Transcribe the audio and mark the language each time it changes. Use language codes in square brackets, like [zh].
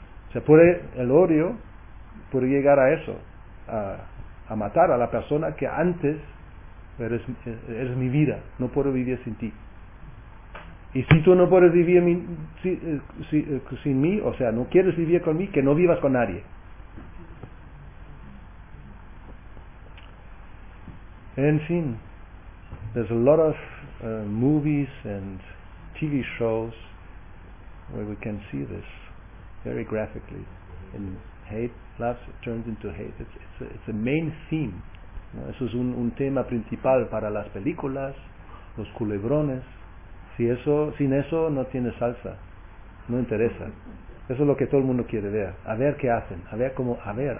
[es] O sea, puede, el odio puede llegar a eso, a matar a la persona que antes eres mi vida, no puedo vivir sin ti. Y si tú no puedes vivir sin mí, o sea, no quieres vivir con mí, que no vivas con nadie. En fin, [en] there's a lot of movies and TV shows where we can see this very graphically. And hate, love turns into hate. It's a main theme. [es] Eso es un tema principal para las películas, los culebrones. Sin eso no tiene salsa, no interesa. Eso es lo que todo el mundo quiere ver. A ver qué hacen, a ver cómo, a ver.